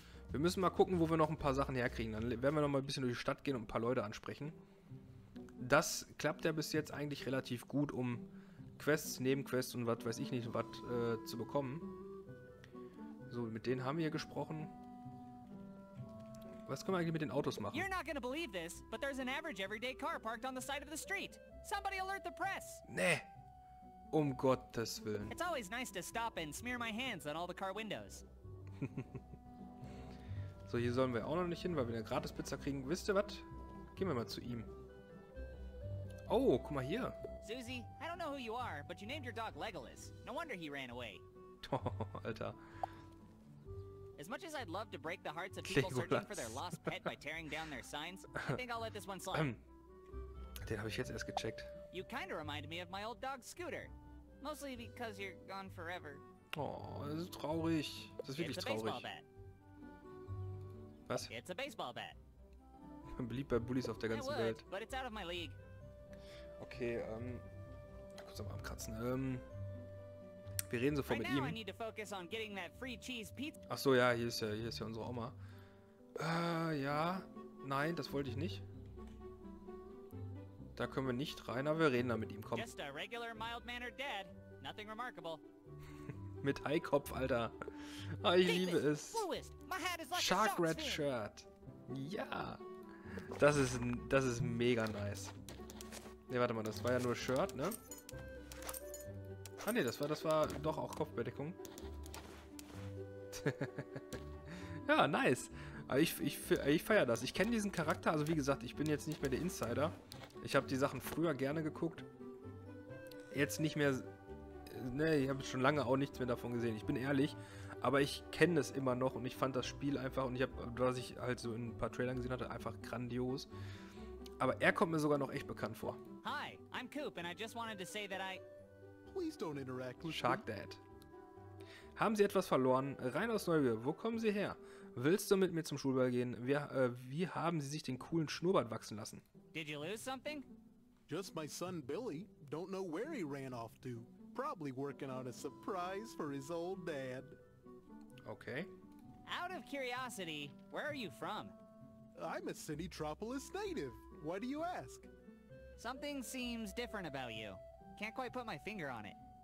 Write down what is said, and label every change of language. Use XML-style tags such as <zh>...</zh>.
<de>Wir müssen mal gucken, wo wir noch ein paar Sachen herkriegen. Dann werden wir noch mal ein bisschen durch die Stadt gehen und ein paar Leute ansprechen. Das klappt ja bis jetzt eigentlich relativ gut, um Quests, Nebenquests und was weiß ich nicht, was zu bekommen. So, mit denen haben wir gesprochen. Was können wir eigentlich mit den Autos machen?</de> <en>You're not gonna believe this, but there's an average everyday car parked on the side of the street. Somebody alert the press.</en> <de>Nee. Um Gottes Willen.</de> <en>It's always nice to stop and smear my hands on all the car windows.</en> <de>So, hier sollen wir auch noch nicht hin, weil wir eine Gratis-Pizza kriegen. Wisst ihr was? Gehen wir mal zu ihm. Oh, guck mal hier.</de> <en>Susie, I don't know who you are, but you named your dog Legolas. No wonder he ran away.</en> <de>Alter.</de> <en>As much as I'd love to break the hearts of people Legolas. Searching for their lost pet by tearing down their signs, I think I'll let this one slide.</en> <de>Den habe ich jetzt erst gecheckt.</de> <en>You kind of remind me of my old dog Scooter. Mostly because you're gone forever.</en> <de>Oh, das ist traurig. Das ist wirklich traurig.</de> <en>It's a baseball bat.</en> <de>Was?</de> <en>It's a baseball bat.</en> <de>Beliebt bei Bullies auf der ganzen</de> <en>would,</en> <de>Welt.</de> <en>But it's out of my league.</en> <de>Okay, kurz am Abkratzen. Wir reden sofort</de> <en>right</en> <de>mit ihm.</de> <en>I need to focus on getting that free cheese pizza.</en> <de>Ach so, ja, hier ist ja unsere Oma. Ja, nein, das wollte ich nicht. Da können wir nicht rein, aber wir reden da mit ihm, komm.</de> <en>Just a regular mild-mannered dad. Nothing remarkable.</en> <de>Mit Haikopf, Alter. Ah, ich liebe es. Shark Red Shirt. Ja. Das ist mega nice. Ne, warte mal, das war ja nur Shirt, ne? Ah ne, das war doch auch Kopfbedeckung. Ja, nice. Aber ich feiere das. Ich kenne diesen Charakter, also wie gesagt, ich bin jetzt nicht mehr der Insider. Ich habe die Sachen früher gerne geguckt. Jetzt nicht mehr. Ne, ich habe schon lange auch nichts mehr davon gesehen. Ich bin ehrlich. Aber ich kenne es immer noch und ich fand das Spiel einfach. Und ich habe, was ich halt so in ein paar Trailern gesehen hatte, einfach grandios. Aber er kommt mir sogar noch echt bekannt vor.</de> <en>Hi, I'm Coop and I just wanted to say that I. Please don't interact with Shark Dad.</en> <de>Haben Sie etwas verloren? Rein aus Neugier, wo kommen Sie her? Willst du mit mir zum Schulball gehen? Wie haben Sie sich den coolen Schnurrbart wachsen lassen?</de> <en>Did you lose something? Just my son Billy. Don't know where he ran off to. Probably working on a surprise for his old dad. Okay. Out of curiosity, where are you from? I'm a Cinetropolis native. Why do you ask? Something seems different about you. Can't quite put my finger on it.</en>